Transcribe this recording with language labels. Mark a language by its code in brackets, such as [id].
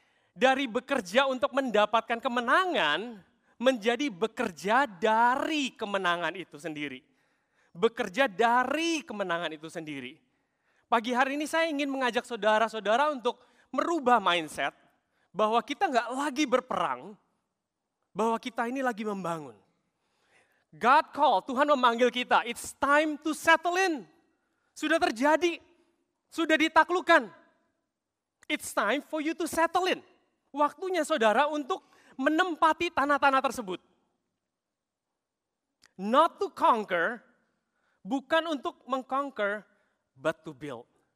[id] Dari bekerja untuk mendapatkan kemenangan, menjadi bekerja dari kemenangan itu sendiri. Bekerja dari kemenangan itu sendiri. Pagi hari ini saya ingin mengajak saudara-saudara untuk merubah mindset, bahwa kita gak lagi berperang, bahwa kita ini lagi membangun. [en] God call, [id] Tuhan memanggil kita, [en] it's time to settle in. [id] Sudah terjadi, sudah ditaklukkan. [en] It's time for you to settle in. [id] Waktunya saudara untuk menempati tanah-tanah tersebut. [en] Not to conquer, [id] bukan untuk mengconquer, [en] but to build.